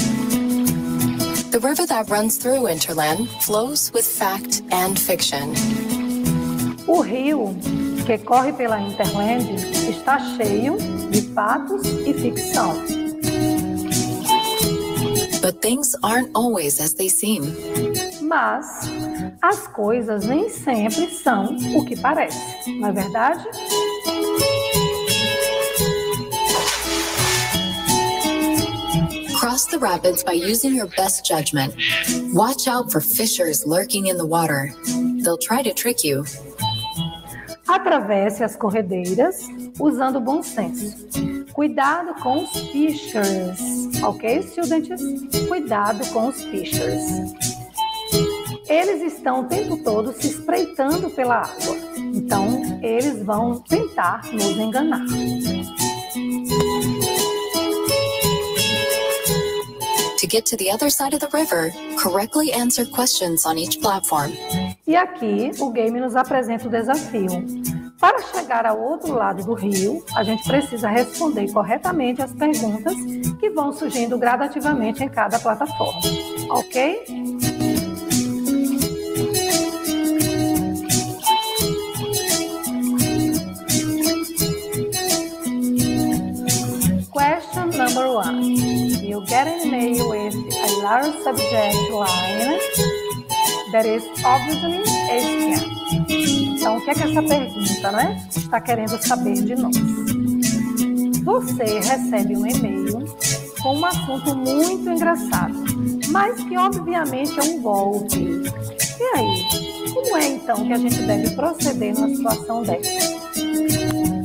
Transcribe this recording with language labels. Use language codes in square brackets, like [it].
[en] The river that runs through Interland flows with fact and fiction. [pt] O rio que corre pela Interland está cheio de fatos e ficção. [en] But things aren't always as they seem. [pt] Mas as coisas nem sempre são o que parece, não é verdade? [en] Cross the rapids by using your best judgment. Watch out for fishers lurking in the water. They'll try to trick you. [pt] Atravesse as corredeiras usando bom senso. Cuidado com os fishers. [en] Ok, students? [pt] Cuidado com os fishers. Eles estão o tempo todo se espreitando pela água. Então, eles vão tentar nos enganar. [en] To get to the other side of the river, correctly answer questions on each platform. [pt] E aqui o game nos apresenta o desafio. Para chegar ao outro lado do rio, a gente precisa responder corretamente as perguntas que vão surgindo gradativamente em cada plataforma. Ok? [en] Question number one. You get an email with a large subject line that is obviously a scam. [pt] Então, o que é que essa pergunta, né, está querendo saber de nós? Você recebe um e-mail com um assunto muito engraçado, mas que obviamente é um golpe. E aí, como é então que a gente deve proceder numa situação dessa?